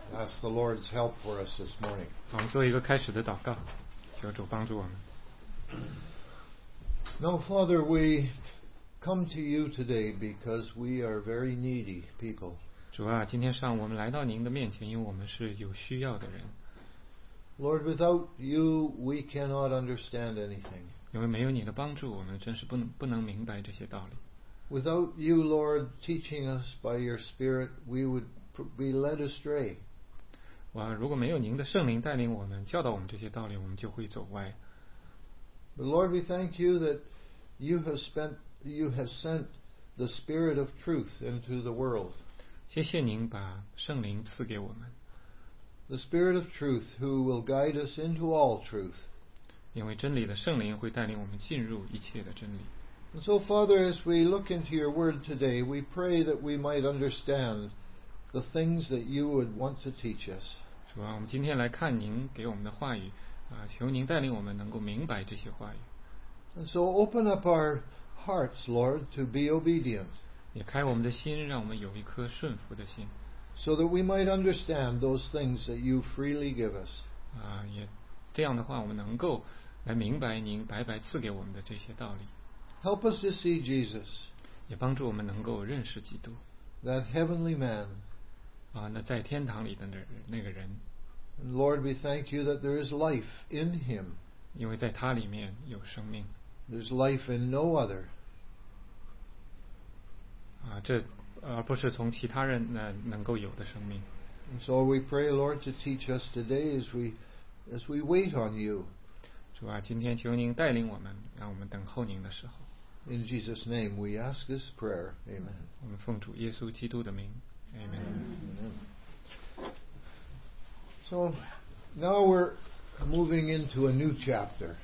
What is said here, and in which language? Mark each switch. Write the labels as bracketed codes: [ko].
[en] Ask the Lord's help for us this morning. [zh] 我们做一个开始的祷告，求主帮助我们。 [en] Now, Father, we come to you today because we are very needy people. [zh] 主啊，今天上午我们来到您的面前，因为我们是有需要的人。 [en] Lord, without you, we cannot understand anything. [zh] 因为没有你的帮助，我们真是不能明白这些道理。 [en] Without you, Lord, teaching us by your Spirit, we would be led astray. [zh] 哇，如果没有您的圣灵带领我们，教导我们这些道理，我们就会走歪。 [en] But Lord, we thank you that you have sent the Spirit of Truth into the world. [zh] 谢谢您把圣灵赐给我们。 [en] The Spirit of Truth, who will guide us into all truth. [zh] 因为真理的圣灵会带领我们进入一切的真理。 [en] And so, Father, as we look into your word today, we pray that we might understand the things that you would want to teach us. [zh] 主啊，我们今天来看您给我们的话语，求您带领我们能够明白这些话语。 [en] And so open up our hearts, Lord, to be obedient. [zh] 也开我们的心，让我们有一颗顺服的心。 [en] So that we might understand those things that you freely give us. [zh] 也这样的话，我们能够来明白您白白赐给我们的这些道理。 [en] Help us to see Jesus. [zh] 也帮助我们能够认识基督。 [en] That heavenly man. [zh] 那在天堂里的那个人。 [en] And Lord, we thank you that there is life in him. [zh] 因为在他里面有生命。 [en] There's life in no other. [zh] 这不是从其他人能够有的生命。 [en] And so we pray, Lord, to teach us today as we wait on you. [zh] 主啊，今天求您带领我们，让我们等候您的时候。 [en] In Jesus' name, we ask this prayer. Amen. [zh] 我们奉主耶稣基督的名。 [en] Amen. Amen. So now we're moving into a new chapter.